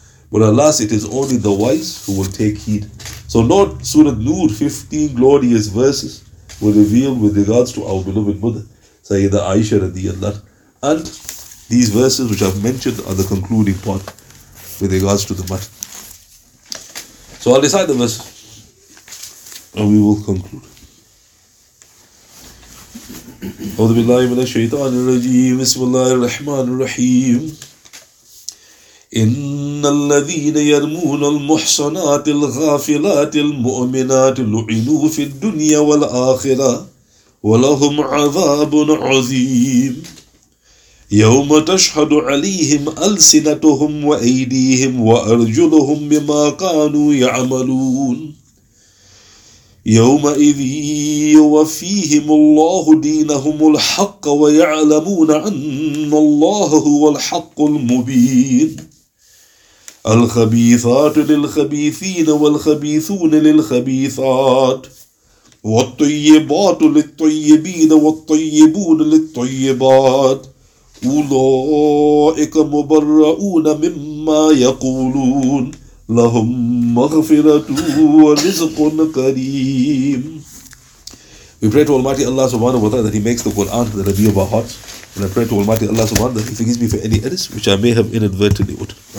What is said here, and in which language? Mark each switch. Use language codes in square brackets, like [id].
[en] But alas, it is only the wise who will take heed. So note Surah Nur, 15 glorious verses were revealed with regards to our beloved mother, Sayyida Aisha radiyallahu anha. And these verses which I've mentioned are the concluding part with regards to the matter. So I'll recite the verses and we will conclude. [ar] أعوذ بالله من الشيطان الرجيم بسم الله الرحمن الرحيم إن الذين يرمون المحصنات الغافلات المؤمنات لعنوا في الدنيا والآخرة ولهم عذاب عظيم يوم تشهد عليهم ألسنتهم وأيديهم وأرجلهم بما كانوا يعملون يومئذ يوفيهم الله دينهم الحق ويعلمون أن الله هو الحق المبين الخبيثات للخبيثين والخبيثون للخبيثات والطيبات للطيبين والطيبون للطيبات أولئك مبرؤون مما يقولون لهم مغفرة ورزق كريم. [en] We pray to Almighty Allah subhanahu wa ta'ala that He makes the Quran the review of our hearts. And I pray to Almighty Allah subhanahu wa ta'ala that He forgives me for any errors which I may have inadvertently uttered.